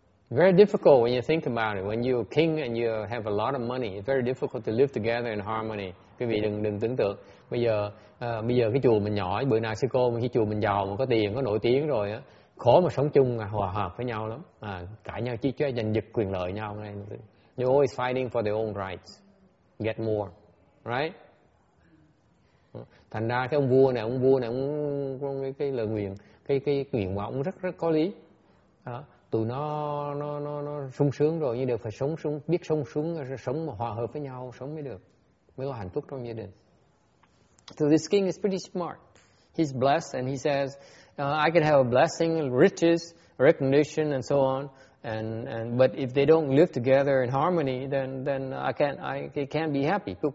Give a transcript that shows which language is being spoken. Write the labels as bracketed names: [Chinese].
[English] Very difficult when you think about it. When you're a king and you have a lot of money, it's very difficult to live together in harmony. [Vietnamese] Quý vị đừng tưởng tượng. Bây giờ cái chùa mình nhỏ, bữa nào sư cô mình khi chùa mình giàu, mình có tiền, có nổi tiếng rồi á, khó mà sống chung hòa hợp với nhau lắm. Cãi nhau chứ giành giật quyền lợi nhau. [English] You're always fighting for their own rights. Get more, right? [Vietnamese] Thành ra cái ông vua này cũng cái lời nguyện, cái nguyện của ông rất rất có lý. Tụi nó sung sướng rồi nhưng đều phải sống mà hòa hợp với nhau sống mới được, mới có hạnh phúc trong gia đình. [English] So this king is pretty smart. He's blessed and he says, I can have a blessing, riches, recognition, and so on. And but if they don't live together in harmony, then I can't be happy.